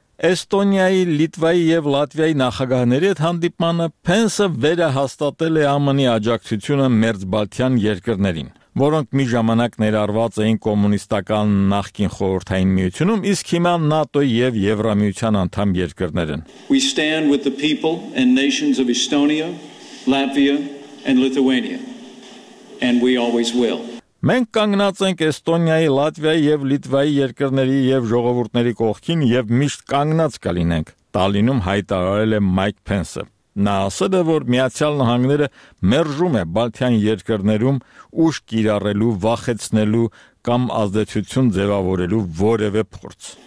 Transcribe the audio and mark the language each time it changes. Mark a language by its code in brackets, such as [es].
[hy] Էստոնիայի, Լիտվայի և Լատվիայի նախագահների հետ հանդիպմանը Փենսը վերահաստատել է ԱՄՆ-ի աջակցությունը Մերձբալթյան երկրներին, որոնք մի ժամանակ ներառված էին կոմունիստական նախկին խորհրդային միությունում, իսկ հիմա ՆԱՏՕ-ի և Եվրամիության անդամ երկրներ են։ [en] We stand with the people and nations of Estonia, Latvia and Lithuania, and we always will. [hy] Մենք կանգնած ենք Էստոնիայի, Լատվիայի և Լիտվայի երկրների և ժողովուրդների կողքին և միշտ կանգնած կլինենք, Տալինում հայտարարել է Մայք Փենսը։ Նա ասել է, որ Միացյալ Նահանգները մերժում է Բալթյան երկրներում ուշ կիրառելու, վախեցնելու կամ ազդեցություն ձևավորելու որևէ փորձ։